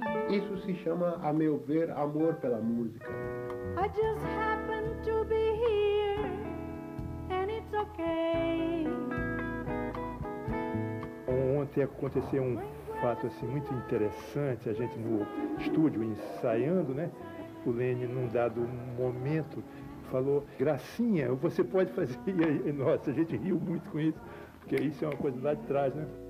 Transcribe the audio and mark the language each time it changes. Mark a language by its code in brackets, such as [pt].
[pt] Isso se chama, a meu ver, amor pela música. [en] I just happen to be here, and it's okay. [pt] Ontem aconteceu um fato assim muito interessante, a gente no estúdio ensaiando, né? O Lenny num dado momento falou, gracinha, você pode fazer, e nossa, a gente riu muito com isso, porque isso é uma coisa lá de trás, né?